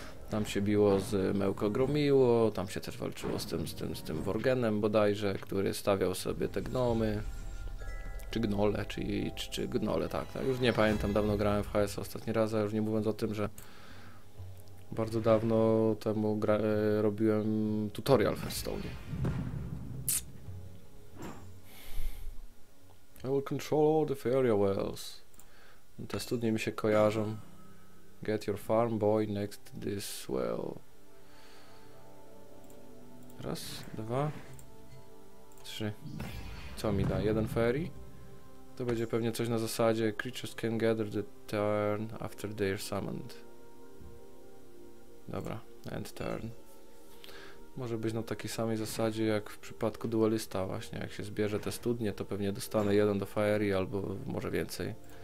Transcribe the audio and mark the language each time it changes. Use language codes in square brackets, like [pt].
[pl] Tam się biło z Mełko Gromiło, tam się też walczyło z tym Worgenem bodajże, który stawiał sobie te gnomy. Czy gnole, czy gnole, tak. Ja już nie pamiętam, dawno grałem w HS ostatni raz, a już nie mówiąc o tym, że bardzo dawno temu robiłem tutorial w Hearthstone. [en] I will control all the fairy wells. [pl] Te studnie mi się kojarzą. [en] Get your farm boy next to this well. [pl] Raz, dwa, trzy. Co mi da? Jeden fairy? To będzie pewnie coś na zasadzie. [en] Creatures can gather the turn after they are summoned. [pl] Dobra, [en] end turn. [pl] Może być na takiej samej zasadzie jak w przypadku duelista właśnie. Jak się zbierze te studnie, to pewnie dostanę jeden do fairy albo może więcej.